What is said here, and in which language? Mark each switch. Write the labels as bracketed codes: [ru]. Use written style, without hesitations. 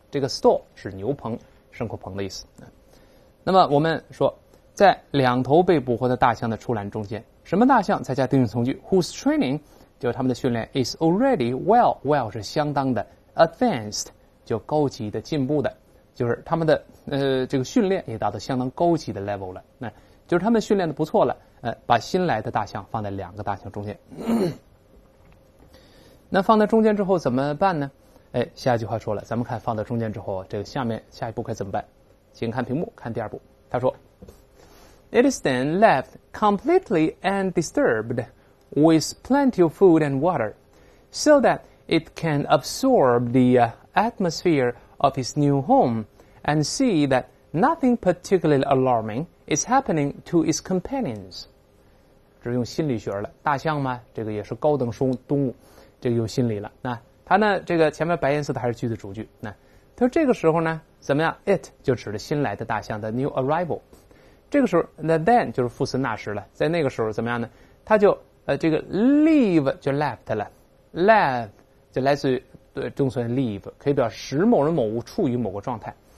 [zh] 这个 stall 是牛棚牲口棚的意思。那么我们说在两头被捕获的大象的畜栏中间，什么大象，再加定语从句 [en] whose training， [zh] 就他们的训练 [en] is already well [zh] 是相当的 advanced， 就高级的进步的，就是他们的这个训练也达到相当高级的 level 了，那就是他们训练的不错了，把新来的大象放在两个大象中间。那放在中间之后怎么办呢？下一句话说了，咱们看放在中间之后这个下面下一步该怎么办，请看屏幕看第二步。他说 [en] It is then left completely undisturbed with plenty of food and water, so that it can absorb the atmosphere of its new home and see that nothing particularly alarming is happening to its companions. [zh] 这是用心理学了，大象嘛，这个也是高等动物，这个有心理了。那它呢，这个前面白颜色的还是句子主句。那它这个时候呢，怎么样 ？It 就指的新来的大象的 [en] new arrival。 [zh] 这个时候 ， [en] the then [zh] 就是副词那时了，在那个时候怎么样呢？它就这个 leave 就 left 了， left 就来自于中文 leave， 可以表示某人某物处于某个状态。